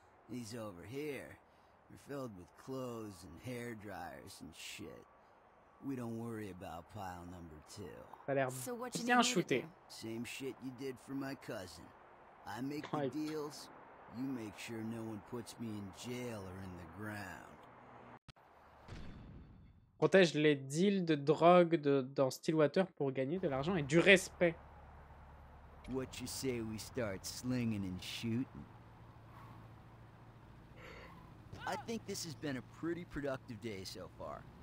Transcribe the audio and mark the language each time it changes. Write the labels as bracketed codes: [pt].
[en] These over here are filled with clothes and hair dryers and shit. We don't worry about pile number two. [fr] Ça a l'air bien shooté. [en] Same shit you did for my cousin. I make the deals, you make sure no one puts me in jail or in the ground. [fr] Protège les deals de drogue dans Stillwater pour gagner de l'argent et du respect. [en] What you say we start slinging and shooting? I think this has been a pretty productive day so far.